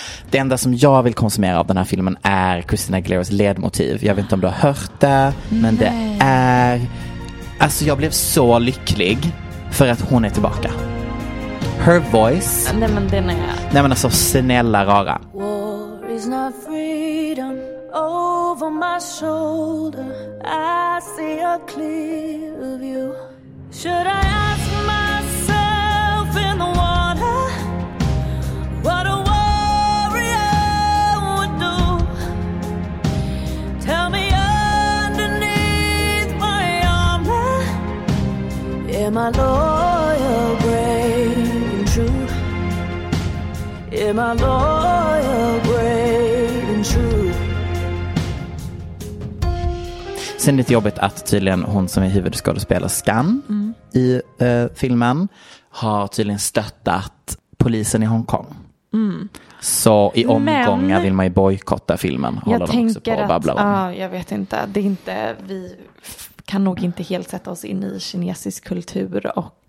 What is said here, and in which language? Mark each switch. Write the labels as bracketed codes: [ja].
[sv] Det enda som jag vill konsumera av den här filmen är Christina Aguileras ledmotiv. Jag vet inte om du har hört det. Men Nej. Det är... Alltså jag blev så lycklig för att hon är tillbaka. [en] Her voice. [sv] Nej, men den är jag. Nej, men alltså snälla rara. [en] War is not freedom. Over my shoulder I see a clear view. Should I ask myself in the water what a warrior would do? Tell me underneath my armor, am I loyal, brave? Am I loyal, brave and true? [sv] Sen är det lite jobbigt att tydligen hon som är huvudskådespelerskan i filmen har tydligen stöttat polisen i Hongkong. Mm. Så i omgångar vill man ju bojkotta filmen. Jag tänker att, jag vet inte, det är inte, vi kan nog inte helt sätta oss in i kinesisk kultur och